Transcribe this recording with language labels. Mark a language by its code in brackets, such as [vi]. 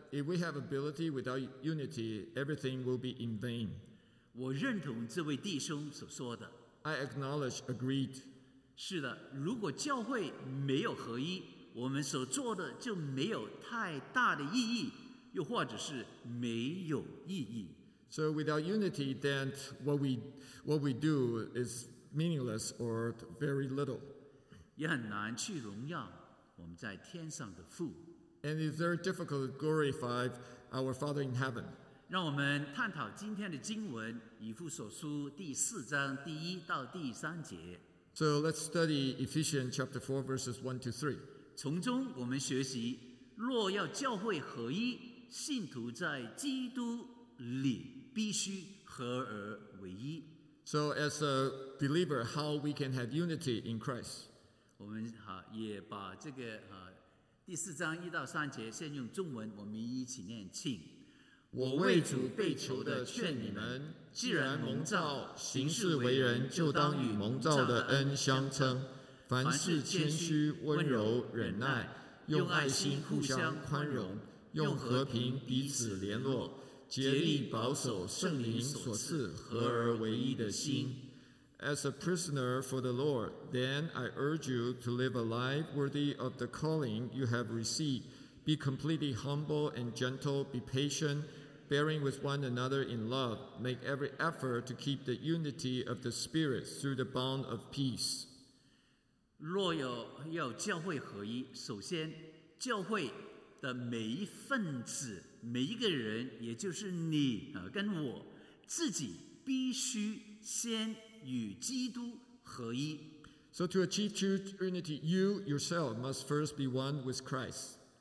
[en] If we have ability without unity, everything will be in vain. [zh] 我认同这位弟兄所说的。 [en] I acknowledge, agreed. [zh] 是的，如果教会没有合一，我们所做的就没有太大的意义，又或者是没有意义。 [en] So without unity, then what we do is meaningless or very little. [zh] 也很难去荣耀我们在天上的父。 [en] And it's very difficult to glorify our Father in heaven. [zh] 让我们探讨今天的经文，以弗所书第四章第一到第三节。 [en] So let's study Ephesians chapter 4 verses 1 to 3. [zh] 从中我们学习，若要教会合一，信徒在基督里必须合而为一。 [en] So as a believer, how we can have unity in Christ? [zh] 我们也把这个第四章一到三节先用中文，我们一起念，请。我为主被囚的劝你们，既然蒙召，行事为人，就当与蒙召的恩相称。凡事谦虚、温柔、忍耐，用爱心互相宽容，用和平彼此联络。竭力保守圣灵所赐合而为一的心， [en] as a prisoner for the Lord, then I urge you to live a life worthy of the calling you have received. Be completely humble and gentle, be patient, bearing with one another in love. Make every effort to keep the unity of the Spirit through the bond of peace. [zh] 若要教会合一，首先教会的每一份子，每一个人，也就是你跟我自己，必须先与基督合一。 [en] So to achieve true unity, you yourself must first be one with Christ.